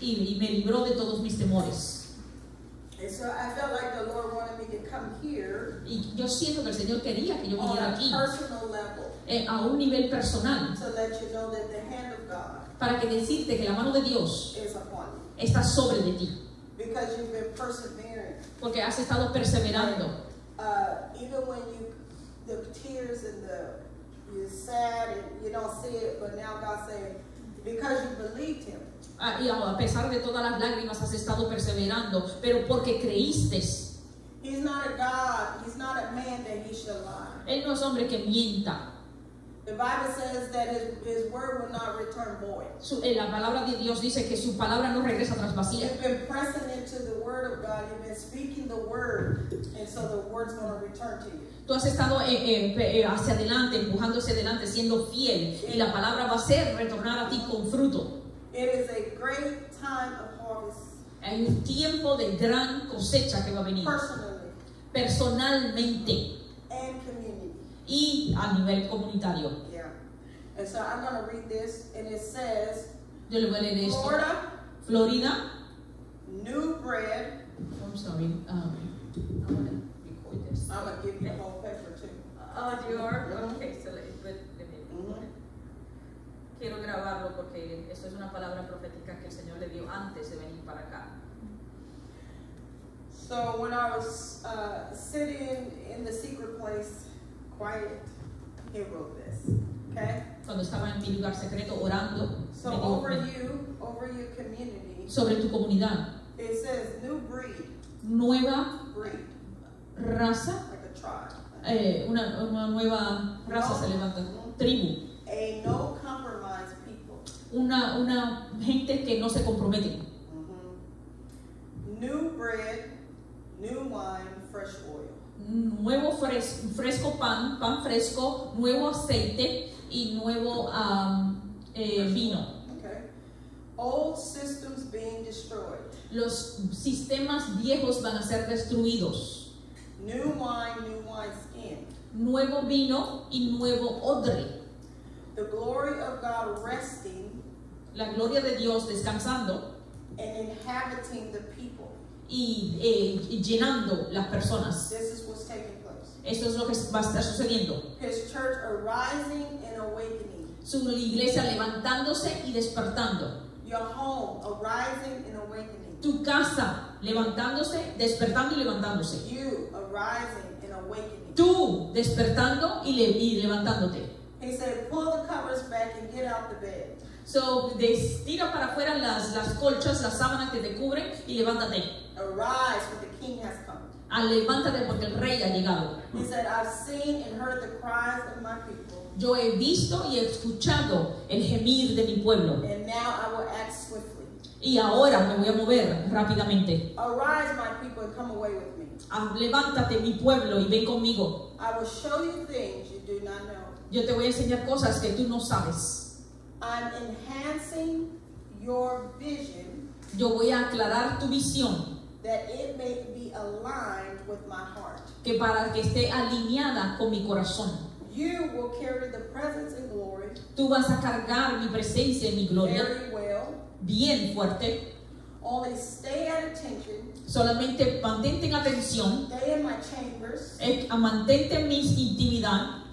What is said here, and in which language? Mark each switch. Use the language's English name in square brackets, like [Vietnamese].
[Spanish] Y me libró de todos mis temores. [English] And so I felt like the Lord wanted me to come here. [Spanish] Y yo siento que el Señor quería que yo viniera aquí. [English] On a personal level. [Spanish] A un nivel personal. [English] To let you know that the hand of God. [Spanish] Para que decirte que la mano de Dios [English] is upon you. [Spanish] Está sobre de ti. [English] Because you've been persevering. [Spanish] Porque has estado perseverando. [English] Even when the tears and you're sad and you don't see it, but now God's saying, because you believed Him. [Spanish] Y a pesar de todas las lágrimas has estado perseverando, pero porque creíste. [English] He's not a God. He's not a man that he shall lie. [Spanish] Él no es hombre que mienta. [English] The Bible says that his word will not return void. [Spanish] La palabra de Dios dice que su palabra no regresa tras vacía. [English] You've been pressing into the word of God. You've been speaking the word, and so the word's going to return to you. [Spanish] Tú has estado hacia adelante, empujando hacia adelante, siendo fiel, y la palabra va a ser retornar a ti con fruto. [English] It is a great time of harvest. [Spanish] Hay un tiempo de gran cosecha que va a venir. Personalmente. [English] And community. [Spanish] Y a nivel comunitario. [English] Yeah. And so I'm going to read this, and it says, [Spanish] yo le voy a leer esto. [English] Florida. [Spanish] Florida. [English] New bread. I'm sorry. I'm going to record this. I'm going to give you a whole paper too. Oh, you are? Okay, so let me. Mm-hmm. [Spanish] Quiero grabarlo porque esto es una palabra profética que el Señor le dio antes de venir para acá. [English] So when I was sitting in the secret place, quiet, he wrote this. Okay? [Spanish] Cuando estaba en mi lugar secreto orando. [English] So over you community. [Spanish] sobre tu comunidad. [English] It says new breed. [Spanish] Nueva [English] breed. [Spanish] Raza. [English] Like a tribe. [Spanish] Una nueva raza se levanta. Tribu. [English] A no compromise people. [Spanish] Una gente que no se compromete. [English] New bread, new wine, fresh oil. [Spanish] Nuevo fresco pan, pan fresco, nuevo aceite y nuevo vino. [English] Okay. Old systems being destroyed. [Spanish] Los sistemas viejos van a ser destruidos. [English] New wine, new wine skin. [Spanish] Nuevo vino y nuevo odre. [English] The glory of God resting. [Spanish] La gloria de Dios descansando. [English] And inhabiting the people. [Spanish] Y llenando las personas. [English] This is what's taking place. [Spanish] Esto es lo que va a estar sucediendo. [English] His church arising and awakening. [Spanish] Su iglesia levantándose y despertando. [English] Your home arising and awakening. [Spanish] Tu casa levantándose, despertando y levantándose. [English] You arising and awakening. [Spanish] Tú despertando y levantándote. [English] He said, pull the covers back and get out the bed. [Spanish] So, tira para afuera las colchas, las sábanas que te cubren y levántate. [English] Arise, for the king has come. [Spanish] Levántate porque el rey ha llegado. [English] He said, I've seen and heard the cries of my people. [Spanish] Yo he visto y he escuchado el gemir de mi pueblo. [English] And now I will act swiftly. [Spanish] Y ahora me voy a mover rápidamente. [English] Arise, my people, and come away with me. [Spanish] Levántate, mi pueblo, y ven conmigo. [English] I will show you things you do not know. [Spanish] Yo te voy a enseñar cosas que tú no sabes. [English] I'm enhancing your vision. [Spanish] Yo voy a aclarar tu visión. [English] That it may be aligned with my heart. [Spanish] Que para que esté alineada con mi corazón. [English] You will carry the presence and glory. [Spanish] Tú vas a cargar mi presencia y mi gloria. [English] Very well. [Spanish] Bien fuerte. [English] Only stay at attention. [Spanish] Solamente mantente en atención. [English] Stay in my chambers. [Spanish] Mantente en mi intimidad.